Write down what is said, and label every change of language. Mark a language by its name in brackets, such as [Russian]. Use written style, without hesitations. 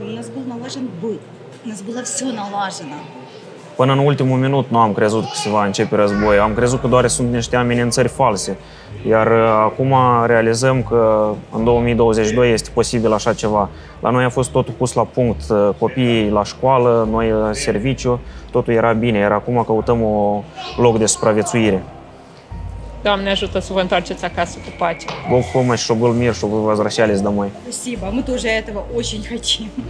[Russian] У нас был налажен быт, у нас было все налажено. [Romanian] Până în ultimul minut nu am crezut că se va începe război. Am crezut că doar sunt niște amenințări false. Iar acum realizăm că în 2022 este posibil așa ceva. La noi a fost totul pus la punct. Copiii la școală, noi la serviciu, totul era bine. Iar acum căutăm un loc de supraviețuire. Doamne ajută să vă întoarceți acasă cu pace. [Russian] Бог помощь, чтобы был мир, чтобы вы возвращались домой. Спасибо, мы тоже этого очень хотим.